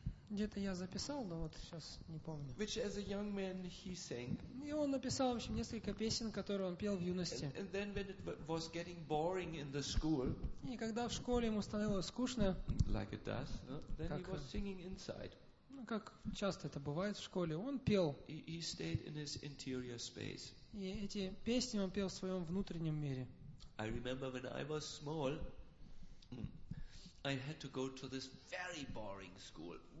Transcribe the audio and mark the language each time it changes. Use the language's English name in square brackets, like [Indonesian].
[Russian] Где-то я записал, но вот сейчас не помню. [English] Which as a young man he sang. [Russian] И он написал, в общем, несколько песен, которые он пел в юности. [English] And then when it was getting boring in the school. [Russian] И когда в школе ему становилось скучно. [English] Like it does. No? Then he was singing inside. [Russian] Как часто это бывает в школе, он пел. [English] He stayed in his interior space. [Russian] И эти песни он пел в своем внутреннем мире. [English] I remember when I was small, I had to go to this very boring school.